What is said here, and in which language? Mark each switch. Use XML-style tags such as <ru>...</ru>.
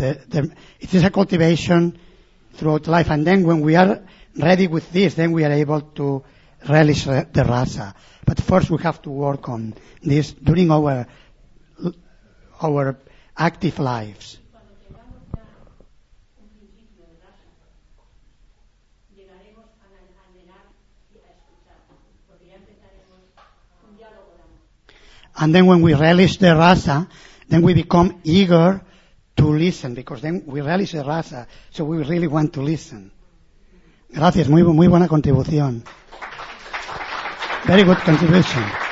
<en>It is a cultivation throughout life. And then when we are ready with this, then we are able to relish the rasa. But first we have to work on this during our active lives.</en> <es>llegaremos a anhelar y a escuchar, porque ya empezaremos un diálogo de amor.</es> <en>And then when we realize the rasa, then we become eager to listen, because then we realize the rasa, so we really want to listen.</en> <es>Gracias, muy, muy buena contribución.</es> <en>Very good contribution.</en>